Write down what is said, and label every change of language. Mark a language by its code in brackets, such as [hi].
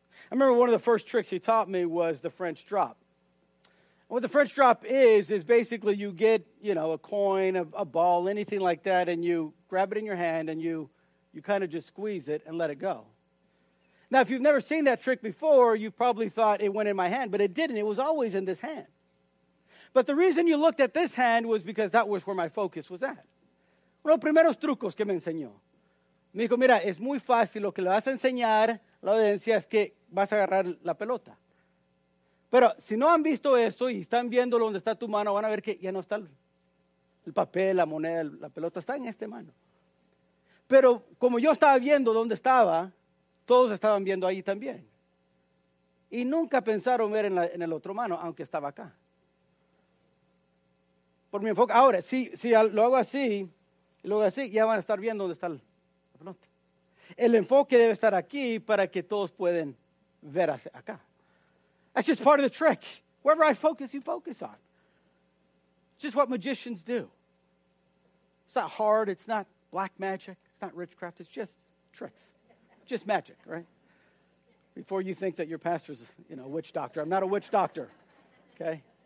[en] I remember one of the first tricks he taught me was the French drop. What the French drop is basically you get, you know, a coin, a ball, anything like that, and you grab it in your hand and you kind of just squeeze it and let it go. Now, if you've never seen that trick before, you probably thought it went in my hand, but it didn't. It was always in this hand. But the reason you looked at this hand was because that was where my focus was at. [es] Uno de los primeros trucos que me enseñó. Me dijo, mira, es muy fácil. Lo que le vas a enseñar a la audiencia es que vas a agarrar la pelota. Pero si no han visto esto y están viéndolo donde está tu mano, van a ver que ya no está el papel, la moneda, la pelota. Está en esta mano. Pero como yo estaba viendo dónde estaba, todos estaban viendo ahí también. Y nunca pensaron ver en el otro mano, aunque estaba acá. Por mi enfoque. Ahora, si lo hago así, ya van a estar viendo dónde está la pelota. El enfoque debe estar aquí para que todos puedan ver acá. [en] That's just part of the trick. Wherever I focus, you focus on. It's just what magicians do. It's not hard. It's not black magic. It's not witchcraft. It's just tricks. Just magic, right? Before you think that your pastor's, you know, a witch doctor. I'm not a witch doctor, okay?